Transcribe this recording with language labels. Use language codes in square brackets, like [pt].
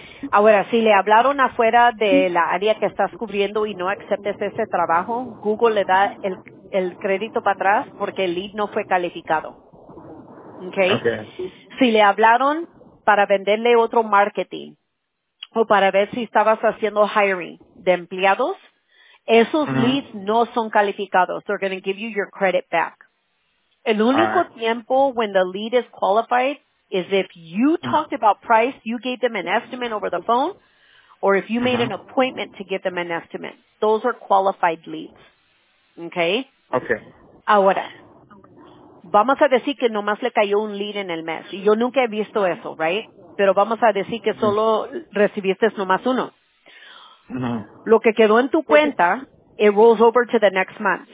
[es] Ahora, si le hablaron afuera de la área que estás cubriendo y no aceptes ese trabajo, Google le da el crédito para atrás porque el lead no fue calificado. Okay. Si le hablaron para venderle otro marketing o para ver si estabas haciendo hiring de empleados, esos uh-huh. leads no son calificados. [en] They're going to give you your credit back. [es] El único tiempo [en] when the lead is qualified is if you talked about price, you gave them an estimate over the phone, or if you made an appointment to give them an estimate. Those are qualified leads. Okay? Okay. [es] Ahora, vamos a decir que nomás le cayó un lead en el mes. Yo nunca he visto eso, right? Pero vamos a decir que solo recibiste nomás uno. No. Lo que quedó en tu cuenta, [en] it rolls over to the next month.